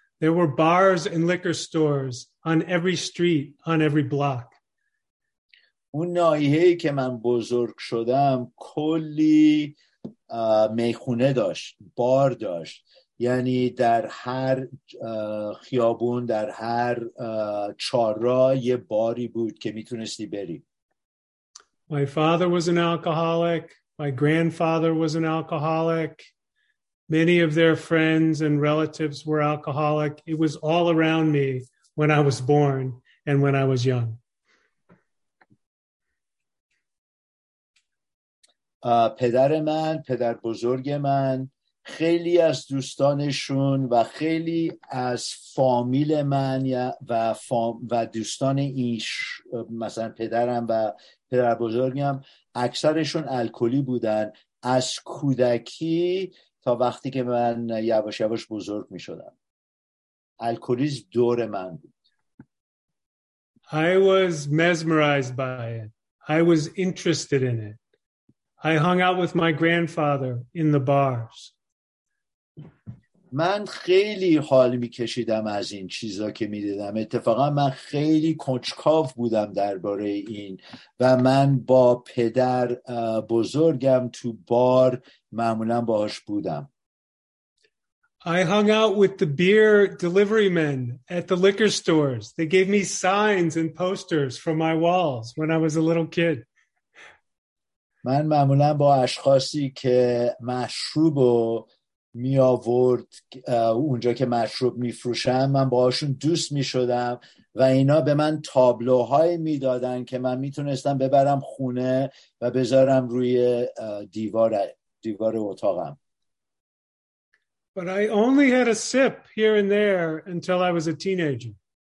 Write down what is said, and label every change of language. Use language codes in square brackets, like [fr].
[en] There were bars and liquor stores on every street, on every block. [fa] اون ناحیه که من بزرگ شدم کلی میخونه داشت، بار داشت. یعنی در هر خیابون، در هر چهارراه یه باری بود که میتونستی بری. [en] My father was an alcoholic. My grandfather was an alcoholic. Many of their friends and relatives were alcoholic. It was all around me when I was born and when I was young. [fa] پدر من، پدر بزرگ من، خیلی از دوستانشون و خیلی از فامیل من و دوستان ایش، مثلا پدرم و پدر بزرگم، اکثرشون الکلی بودن از کودکی تا وقتی که من یواش یواش بزرگ می شدم. الکلیز دور من بود. [en] I was mesmerized by it. I was interested in it. I hung out with my grandfather in the bars. [fa] من خیلی حال میکشیدم از این چیزا که میدیدم. اتفاقا من خیلی کنجکاو بودم درباره این و من با پدر بزرگم تو بار معمولا باهاش بودم. [en] I hung out with the beer delivery men at the liquor stores. They gave me signs and posters from my walls when I was a little kid. [fa] من معمولا با اشخاصی که مشروب و می آورد اونجا که مشروب می فروشن من باهاشون دوست می شدم و اینا به من تابلوهای می دادن که من می تونستم ببرم خونه و بذارم روی دیوار اتاقم. [en] But I only had a sip here and there until I was a teenager.